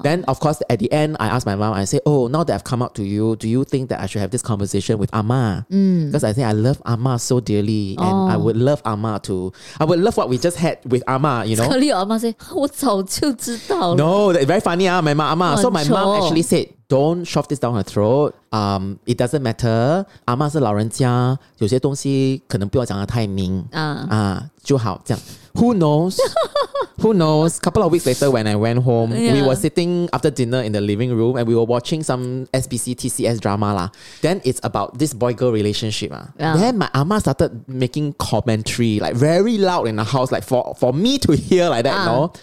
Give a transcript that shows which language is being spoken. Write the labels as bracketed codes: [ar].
[en] Then, of course, at the end, I asked my mom, I said, oh, now that I've come out to you, do you think that I should have this conversation with Ama? Because I think I love Ama so dearly and I would love Ama to, I would love what we just had with Ama, you know? Scarlett, Ama said, [zh] 我早就知道了。 [en] No, that's very funny, my mom, Ama. So my mom actually said,Don't shove this down her throat. It doesn't matter. [zh] 阿嬷是老人家，有些东西可能不要讲得太明。就好这样。 [en] Who knows? Who knows? Couple of weeks later, when I went home, yeah, we were sitting after dinner in the living room and we were watching some SBC TCS drama lah. Then it's about this boy-girl relationship. Yeah. Then my ama started making commentary, like very loud in the house, like for me to hear like that, no?